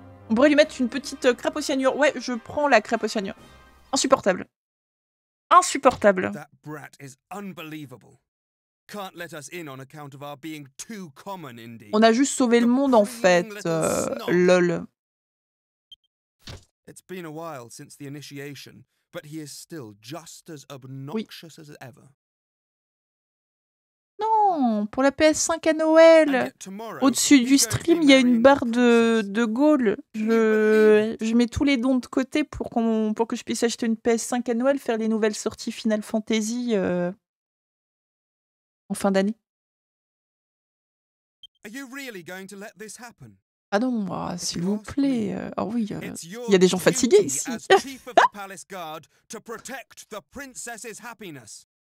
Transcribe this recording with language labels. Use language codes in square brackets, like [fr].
[fr] On pourrait lui mettre une petite crêpe au cyanure. Ouais, je prends la crêpe au cyanure. Insupportable. Insupportable. [en] That brat is unbelievable. Can't let us in on account of our being too common, indeed. [fr] On a juste sauvé le monde en fait. [en] Lol. It's been a while since the initiation, but he is still just as obnoxious as ever. [fr] Non, pour la PS5 à Noël. Au-dessus du stream, il y a une barre de Gaulle. Je mets tous les dons de côté pour que je puisse acheter une PS5 à Noël, faire les nouvelles sorties Final Fantasy. En fin d'année. [en] Are you really going to let this happen? [fr] Ah non, oh, s'il vous plaît. Oh oui, il y a des gens fatigués ici. [en] Chief of the palace guard to protect the princess's happiness.